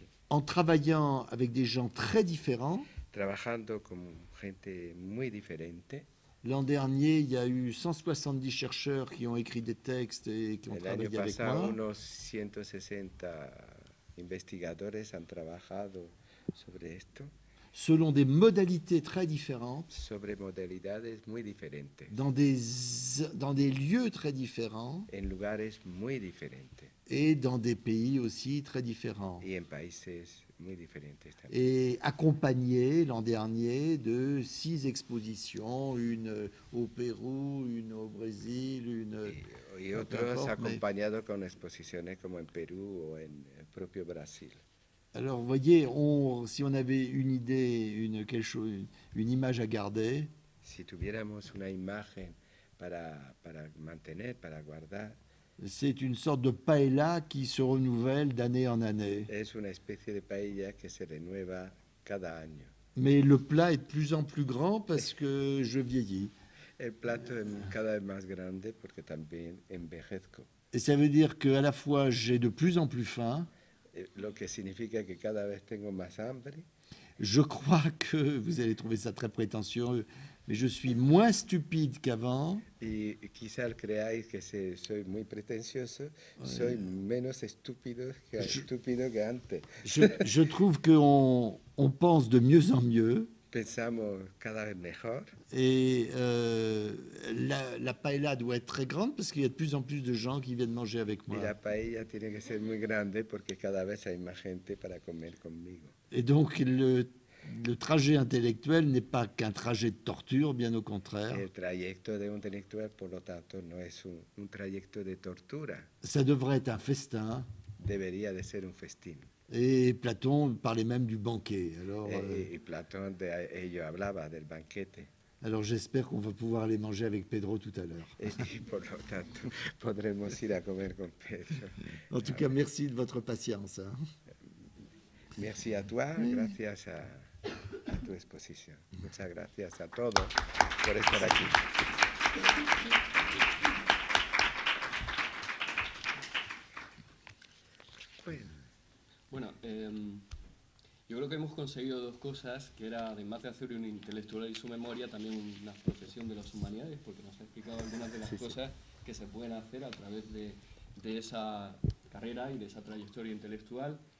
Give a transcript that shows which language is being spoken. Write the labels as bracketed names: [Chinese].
[French] En travaillant avec des gens très différents. [Spanish] Trabajando con gente muy diferente. [French] L'an dernier, il y a eu 170 chercheurs qui ont écrit des textes et qui ont travaillé avec moi. L'année passée, [Spanish] unos 160 investigadores han trabajado sobre esto. [French] Selon des modalités très différentes. [Spanish] Sobre modalidades muy diferentes. [French] Dans des lieux très différents. [Spanish] En lugares muy diferentes. [French] Et dans des pays aussi très différents. [Spanish] Y en países muy diferentes también. [French] Et accompagné l'an dernier de 6 expositions, une au Pérou, une au Brésil, une. [Spanish] Y otros acompañado mais... con exposiciones como en Perú o en el propio Brasil. [French] Alors, voyez, si on avait une idée, une image à garder. [Spanish] Si tuviéramos una imagen para mantener, para guardar. [French] C'est une sorte de paella qui se renouvelle d'année en année. [Spanish] Es una especie de paella que se renueva cada año. [French] Mais le plat est de plus en plus grand parce que je vieillis. [Spanish] El plato es cada vez más grande porque también envejezco. [French] Et ça veut dire qu'à la fois j'ai de plus en plus faim. [Spanish] Lo que significa que cada vez tengo más hambre. [French] Je crois que vous allez trouver ça très prétentieux. Mais je suis moins stupide qu'avant. [Spanish] Y quizás creáis que soy muy pretencioso. Ouais. Soy menos estúpido que antes. [French] Je trouve que on pense de mieux en mieux. [Spanish] Pensamos cada vez mejor. [French] Et la paella doit être très grande parce qu'il y a de plus en plus de gens qui viennent manger avec moi. [Spanish] Y la paella tiene que ser muy grande porque cada vez hay más gente para comer conmigo. [French] Et donc le trajet intellectuel n'est pas qu'un trajet de torture, bien au contraire. [Spanish] El trayecto de intelectual, por lo tanto, no es un trayecto de tortura. [French] Ça devrait être un festin. [Spanish] Debería de ser un festín. [French] Et Platon parlait même du banquet. Alors, [Spanish] et Platón de ello hablaba del banquete. [French] Alors j'espère qu'on va pouvoir aller manger avec Pedro tout à l'heure. [Spanish] Et por lo tanto, podremos ir a comer con Pedro. [French] En tout cas, merci de votre patience. Merci à toi, [Spanish] gracias a tu exposición. Muchas gracias a todos por estar aquí. Bueno, yo creo que hemos conseguido dos cosas, que era, además de hacer un intelectual y su memoria, también una profesión de las humanidades, porque nos ha explicado algunas de las cosas que se pueden hacer a través de esa carrera y de esa trayectoria intelectual.